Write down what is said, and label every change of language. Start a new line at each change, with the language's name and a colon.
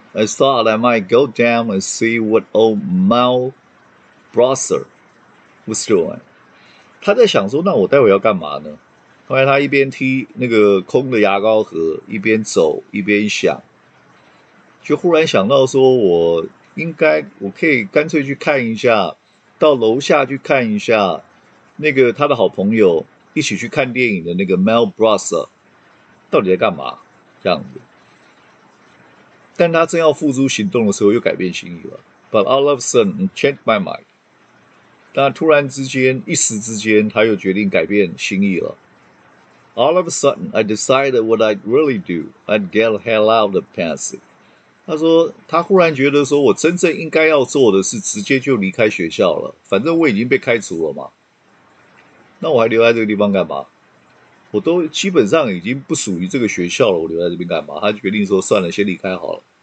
English: I thought I might go down and see what old Mal Brosser was doing.
Chinese: 他在想说，那我待会要干嘛呢？后来他一边踢那个空的牙膏盒，一边走，一边想，就忽然想到说，我可以干脆去看一下，到楼下去看一下那个他的好朋友一起去看电影的那个 Mal Brosser 到底在干嘛，这样子。但他正要付诸行动的时候又改变心意了。
English: But all of a sudden changed my mind，
Chinese: 但突然之间一时之间他又决定改变心意了。
English: All of a sudden I decided what I'd really do， I'd get the hell out of Patsy。
Chinese: 他说他忽然觉得说我真正应该要做的是直接就离开学校了，反正我已经被开除了嘛，那我还留在这个地方干嘛，我都基本上已经不属于这个学校了，我留在这边干嘛？他决定说算了，先离开好了。